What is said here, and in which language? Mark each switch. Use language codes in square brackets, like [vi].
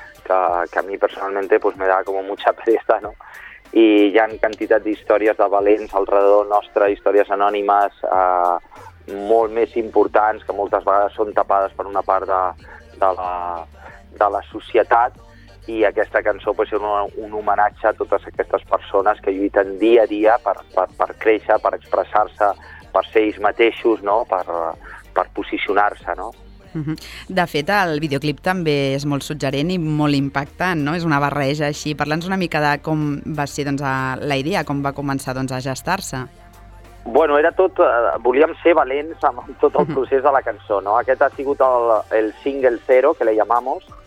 [es] Que a mi personalment pues, me da como mucha pereza, no? [ca] I hi ha quantitat d'històries de valents al redor nostre, històries anònimes molt més importants, que moltes vegades són tapades per una part de la societat, i aquesta cançó pot ser un homenatge a totes aquestes persones que lluiten dia a dia per créixer, per expressar-se, per ser ells mateixos, no? per posicionar-se, no? De fet, el videoclip també és molt suggerent i molt impactant, no? És una barreja així. Parla'ns una mica de com va ser, doncs, la idea, com va començar, doncs, a gestar-se. Bueno, era tot... volíem ser valents amb tot el procés de la cançó, no? Aquest ha sigut el single zero, [es] que le llamamos.